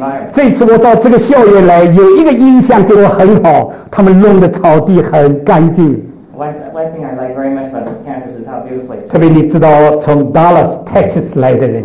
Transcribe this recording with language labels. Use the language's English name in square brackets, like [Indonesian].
[Chinese] 这次我到这个校园来，有一个印象给我很好，他们弄的草地很干净。 [English] One thing I like very much about this campus is how beautiful it is. [Chinese] 特别你知道从 Dallas, Texas 来的人。